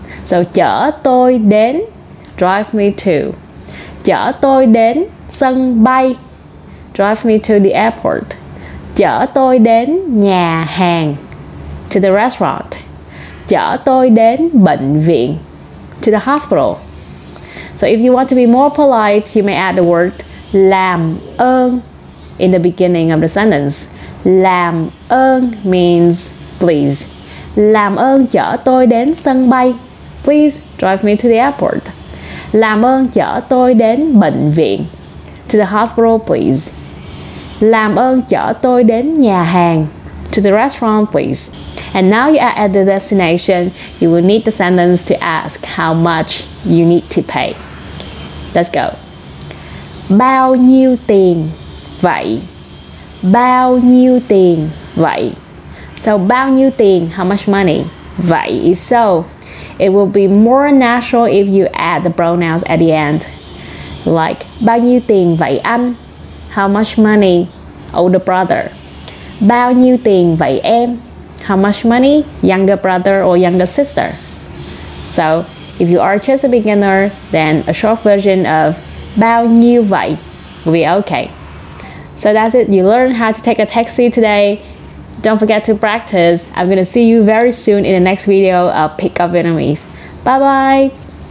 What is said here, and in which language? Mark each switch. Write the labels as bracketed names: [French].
[English] So [Vietnamese] chở tôi đến, [English] drive me to. [Vietnamese] Chở tôi đến sân bay, [English] drive me to the airport. [Vietnamese] Chở tôi đến nhà hàng, [English] to the restaurant. [Vietnamese] Chở tôi đến bệnh viện, [English] to the hospital. So if you want to be more polite, you may add the word làm ơn in the beginning of the sentence. Làm ơn means please. [Vietnamese] Làm ơn chở tôi đến sân bay. [English] Please drive me to the airport. [Vietnamese] Làm ơn chở tôi đến bệnh viện. [English] To the hospital, please. [Vietnamese] Làm ơn chở tôi đến nhà hàng. [English] To the restaurant, please. And now you are at the destination, you will need the sentence to ask how much you need to pay. Let's go. [Vietnamese] Bao nhiêu tiền vậy? Bao nhiêu tiền vậy? So bao nhiêu tiền, [English] how much money? Vậy is so. It will be more natural if you add the pronouns at the end. [Vietnamese] Like bao nhiêu tiền vậy anh? [English] How much money, older brother? [Vietnamese] Bao nhiêu tiền vậy em? [English] How much money, younger brother or younger sister? So if you are just a beginner, then a short version of [Vietnamese] bao nhiêu vậy [English] will be okay. So that's it. You learned how to take a taxi today. Don't forget to practice. I'm going to see you very soon in the next video of Pick Up Vietnamese. Bye bye.